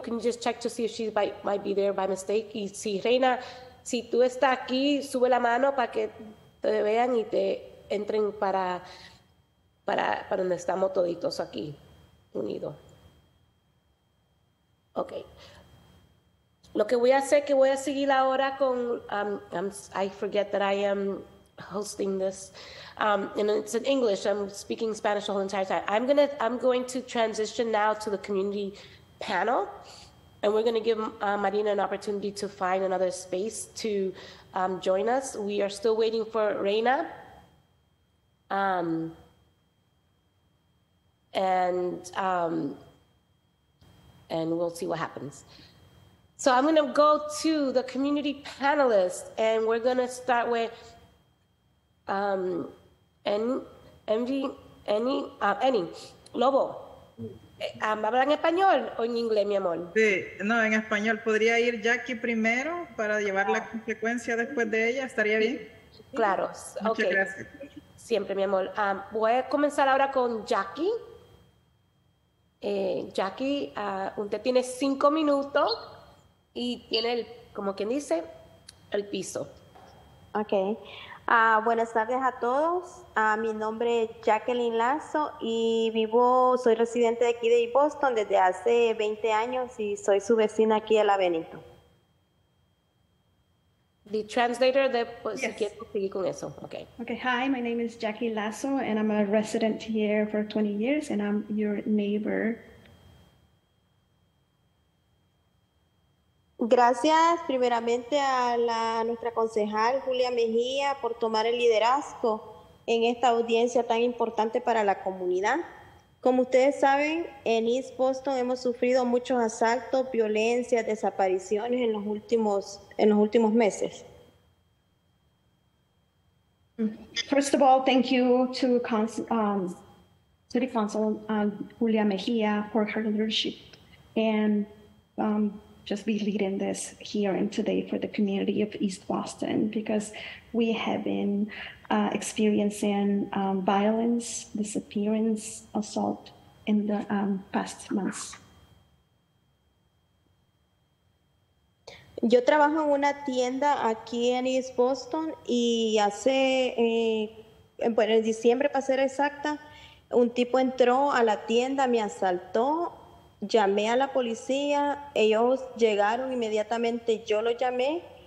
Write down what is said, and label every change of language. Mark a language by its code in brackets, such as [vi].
[en] Can you just check to see if she might be there by mistake? [es] Y si Reina, si tú estás aquí, sube la mano para que te vean y te entren para donde estamos toditos aquí, unidos. [en] Ok. [es] Lo que voy a hacer que voy a seguir ahora con, [en] I forget that I am hosting this, and it's in English. I'm speaking Spanish the whole entire time. I'm going to transition now to the community panel, and we're going to give Marina an opportunity to find another space to join us. We are still waiting for Reina, and we'll see what happens. So I'm going to go to the community panelists, and we're going to start with any Lobo. [es] ¿Habla en español o en inglés, mi amor? Sí, no, en español. ¿Podría ir Jackie primero para llevar la consecuencia después de ella? ¿Estaría bien? Claro. Muchas [en] okay. [es] Gracias. Siempre, mi amor. Voy a comenzar ahora con Jackie. Jackie, usted tiene 5 minutos. Y tiene, como quien dice, el piso. Ok. Buenas tardes a todos. Mi nombre es Jacqueline Lazo y soy residente de aquí de Boston desde hace 20 años y soy su vecina aquí de la Benito. [en] The translator, [es] pues, yes. Si quieres seguir con eso. Okay. [en] Okay. Hi, my name is Jackie Lazo and I'm a resident here for 20 years and I'm your neighbor. [es] Gracias primeramente a nuestra concejal Julia Mejía por tomar el liderazgo en esta audiencia tan importante para la comunidad. Como ustedes saben, en East Boston hemos sufrido muchos asaltos, violencias, desapariciones en los últimos meses. [en] First of all, thank you to City Council Julia Mejía for her leadership and just be leading this hearing today for the community of East Boston, because we have been experiencing violence, disappearance, assault in the past months. [es] Yo trabajo en una tienda aquí en East Boston y hace, bueno, en diciembre para ser exacta, un tipo entró a la tienda, me asaltó, llamé a la policía, ellos llegaron inmediatamente, yo lo llamé,